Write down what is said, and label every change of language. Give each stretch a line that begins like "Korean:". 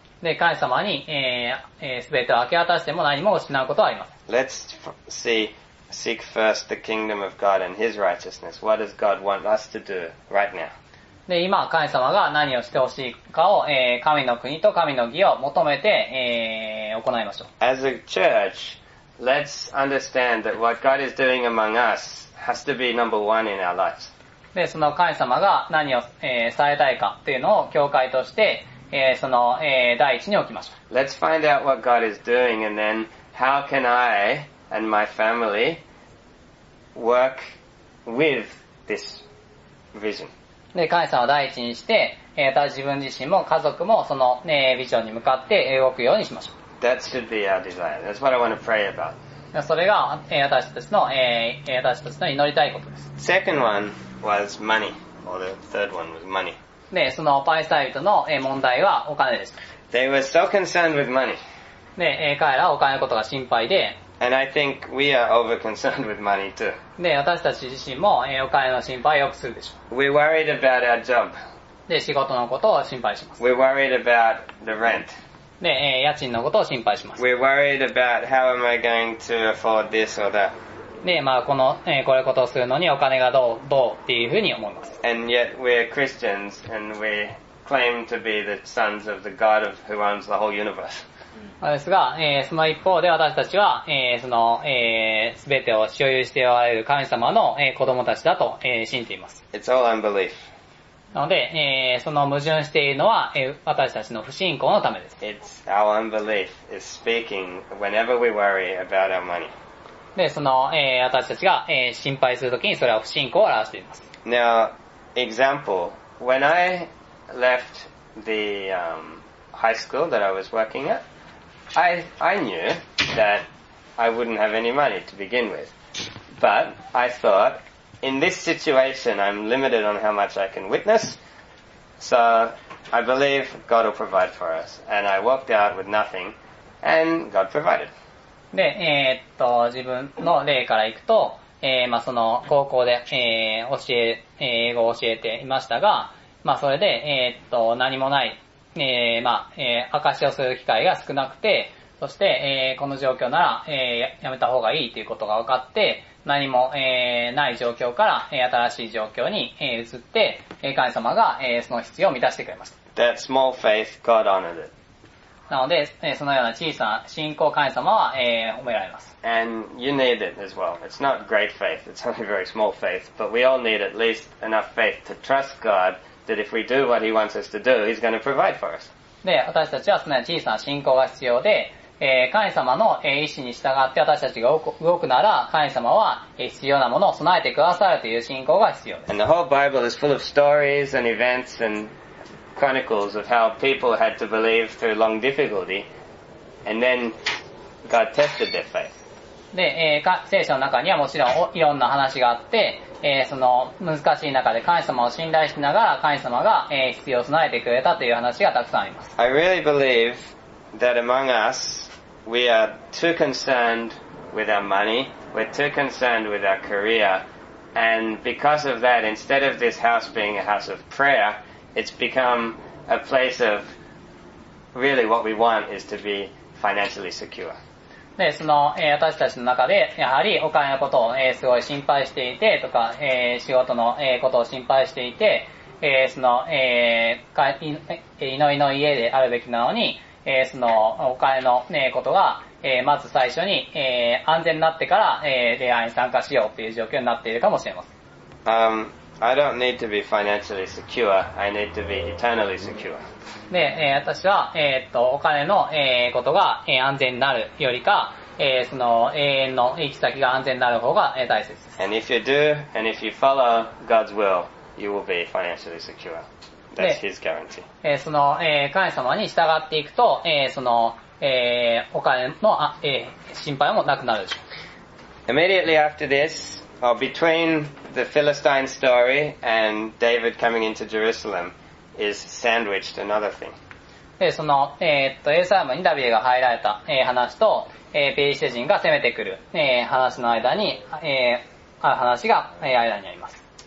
Japanese: で、神様に、すべてを明け渡しても何も失うことはありません。
English: Let's seek first the kingdom of God and His righteousness. What does God want us to do right now?
Japanese: で、今、神様が何をしてほしいかを、神の国と神の義を求めて、行いましょう。
English: As a church, let's understand that what God is doing among us has to be number one in our lives.
Japanese: で、その神様が何を、伝えたいかっていうのを教会として、その、第一に置きましょう。
English: Let's find out what God is doing and then how can I and my family work with this vision.
Japanese: で、神様を第一にして、ただ自分自身も家族もその、ビジョンに向かって動くようにしましょう。
English: That should be our desire. That's what I want to pray about.
Japanese: それが、私たちの、私たちの祈りたいことです。
English: Second one was money. Or the third one was money.
Japanese: で、そのパリサイ人の問題はお金です。
English: They were so concerned with money.
Japanese: で、彼らはお金のことが心配で、
English: And I think we are over-concerned with money too.
Japanese: で、私たち自身も、お金の心配をよくするでしょ
English: う。We're worried about our job.
Japanese: で、仕事のことを心配します。
English: We're worried about the rent.
Japanese: で、家賃のことを心配します。
English: We're worried about how am I going to afford this or that.
Japanese: で、まあ、この、これことをするのにお金がどうっていうふうに思います。
English: And yet we're Christians and we claim to be the sons of the God of who owns the whole universe.
Japanese: ですが、その一方で私たちは、その、全てを所有しておられる神様の、子供たちだと、信じています。
English: It's all unbelief.
Japanese: なので、その矛盾しているのは、私たちの不信仰のためです。
English: It's our unbelief is speaking whenever we worry about our money.
Japanese: で、その、私たちが、心配するときにそれは不信仰を表しています。
English: Now, example, when I left the, high school that I was working at,I knew that I wouldn't have any money to begin with. But I thought, in this situation, I'm limited on how much I can witness. So I believe God will provide for us. And I walked out with nothing, and God provided.
Japanese: で、自分の例からいくと、まあ、その高校で、英語を教えていましたが、まあ、それで、何もない。まあ、証をする機会が少なくて、そして、この状況なら、やめた方がいいということが分かって、何も、ない状況から、新しい状況に、移って、神様が、その必要を満たしてくれました。
English: That small faith, God honored it.
Japanese: なので、そのような小さな信仰神様は、褒められます。
English: And you need it as well. It's not great faith, it's only very small faith, but we all need at least enough faith to trust God. That if we do what he wants us to do, he's going to provide for us.
Japanese: で、私たちはそのような小さな信仰が必要で、神様の意志に従って私たちが動くなら、神様は必要なものを備えてくださるという信仰が必要です。
English: And the whole Bible is full of stories and events and chronicles of how people had to believe through long difficulty, and then God tested their faith.
Japanese: で、聖書の中にはもちろんいろんな話があって、その難しい中で神様を信頼しながら神様が、必要を備えてくれたという話がたくさんあります。
English: I really believe that among us, we are too concerned with our money, we're too concerned with our career, and because of that, instead of this house being a house of prayer, it's become a place of really what we want is to be financially secure.
Japanese: で、その、私たちの中で、やはりお金のことを、すごい心配していて、とか、仕事の、ことを心配していて、その、祈りの家であるべきなのに、その、お金の、ことが、まず最初に、安全になってから、礼拝に参加しようという状況になっているかもしれません。
English: I don't need to be financially secure, I need to be eternally secure.
Japanese: で、私は、お金の、ことが、安全になるよりか、その永遠の行き先が安全になる方が、大切です。
English: And if you do, and if you follow God's will, you will be financially secure. That's His guarantee.
Japanese: その、神様に従っていくと、その、お金の、心配もなくなるでしょう。
English: Immediately after this,Or between the Philistine story and David coming into Jerusalem is sandwiched another thing.
Japanese: で、その、エルサレムにダビデが入られた、話と、ペリシテ人が攻めてくる、話の間に、話が、間にあります。